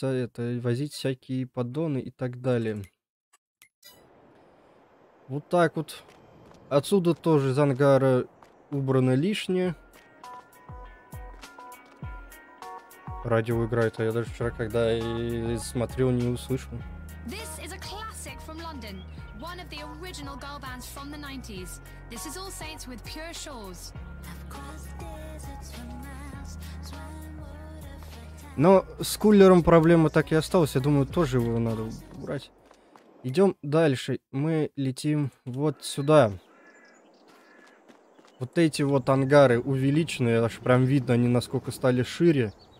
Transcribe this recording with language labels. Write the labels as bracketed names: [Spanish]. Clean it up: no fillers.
[Russian] Это возить всякие поддоны и так далее. Вот так вот. Отсюда тоже из ангара убрано лишнее. Радио играет, а я даже вчера, когда смотрел, не услышал. [English] This is a classic from London. One of the original girl bands from the 90s. This is All Saints with Pure Shores. [Russian] Но с кулером проблема так и осталась. Я думаю, тоже его надо убрать. Идем дальше. Мы летим вот сюда. Вот эти вот ангары увеличенные. Аж прям видно, они насколько стали шире.